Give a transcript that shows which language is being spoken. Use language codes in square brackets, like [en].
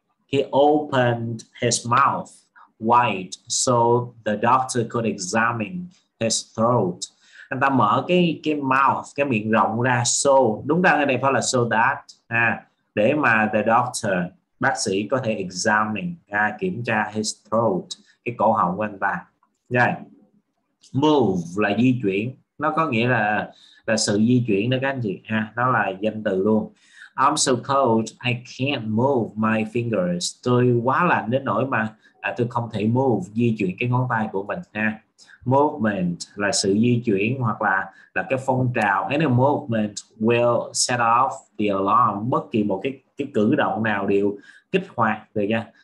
[en] He opened his mouth wide so the doctor could examine his throat. [vi] Anh ta mở cái mouth, cái miệng rộng ra, so, đúng ra cái này phải là so that à, để mà [en] the doctor, [vi] bác sĩ có thể examine, kiểm tra [en] his throat, [vi] cái cổ họng của anh ta. Rồi. Move là di chuyển, nó có nghĩa là sự di chuyển đó các anh chị ha, nó là danh từ luôn. [en] I'm so cold I can't move my fingers. [vi] Tôi quá lạnh đến nỗi mà tôi không thể move, di chuyển cái ngón tay của mình ha. Movement là sự di chuyển hoặc là cái phong trào. [en] Any movement will set off the alarm. [vi] Bất kỳ một cái cử động nào đều kích hoạt rồi nha.